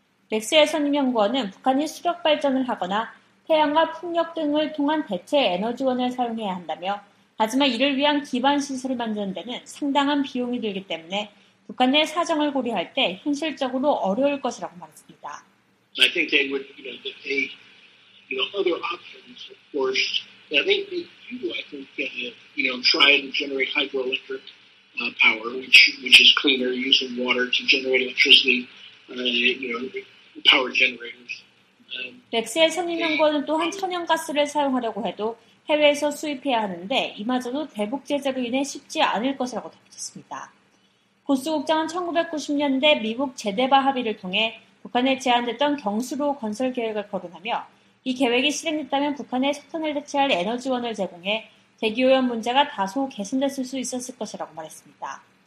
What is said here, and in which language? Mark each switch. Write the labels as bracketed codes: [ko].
[ko] 맥스웰 선임연구원은 북한이 수력 발전을 하거나 태양과 풍력 등을 통한 대체 에너지원을 사용해야 한다며 하지만 이를 위한 기반 시설을 만드는 데는 상당한 비용이 들기 때문에 북한의 사정을 고려할 때 현실적으로 어려울 것이라고 말했습니다. [en] I think they would, you know, that they, you know, other options, of course. I think they do try to generate hydroelectric power, which is cleaner, using water to generate electricity, power generators. [ko] 맥스웰 선임연구원은 또한 천연가스를 사용하려고 해도 해외에서 수입해야 하는데 이마저도 대북 제재로 인해 쉽지 않을 것이라고 덧붙였습니다. 구스 국장은 1990년대 미국 제네바 합의를 통해 북한에 제한됐던 경수로 건설 계획을 거론하며 이 계획이 실행됐다면 북한에 석탄을 대체할 에너지원을 제공해 대기오염 문제가 다소 개선됐을 수 있었을 것이라고 말했습니다.